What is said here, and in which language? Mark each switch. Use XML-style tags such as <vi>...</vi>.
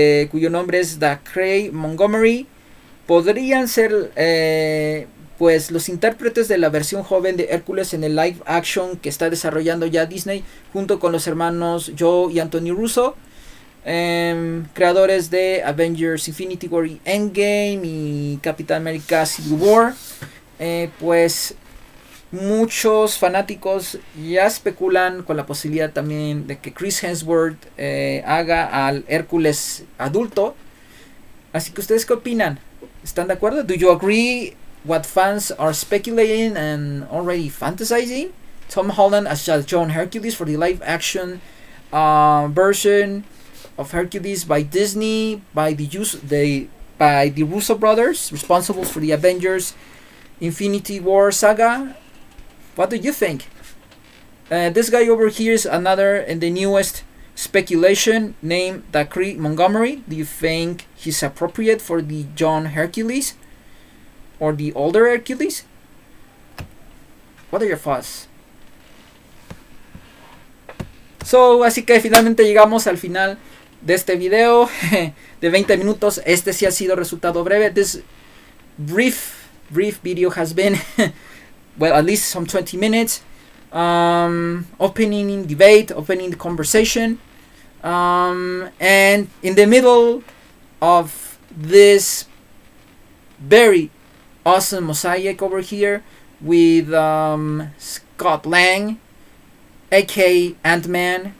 <es>cuyo nombre es Da'Cray Montgomery, podrían ser pues los intérpretes de la versión joven de Hércules en el live action que está desarrollando ya Disney junto con los hermanos Joe y Anthony Russo, creadores de Avengers Infinity War y Endgame y Capitán América Civil War. Pues muchos fanáticos ya especulan con la posibilidad también de que Chris Hemsworth haga al Hércules adulto. Así que ustedes, ¿qué opinan? ¿Están de acuerdo?</es> <en>Do you agree what fans are speculating and already fantasizing? Tom Holland as John Hercules for the live action version of Hercules by Disney, by the Russo brothers, responsible for the Avengers Infinity War saga. What do you think? This guy over here is another in the newest speculation, named Dacre Montgomery. Do you think he's appropriate for the John Hercules or the older Hercules? What are your thoughts?</en> <es>So, así que finalmente llegamos al final de este video de 20 minutos. Este sí ha sido resultado breve.</es> <en>This brief video has been, well, at least some 20 minutes. Opening debate, opening the conversation. And in the middle of this very awesome mosaic over here with Scott Lang, aka Ant-Man.</en>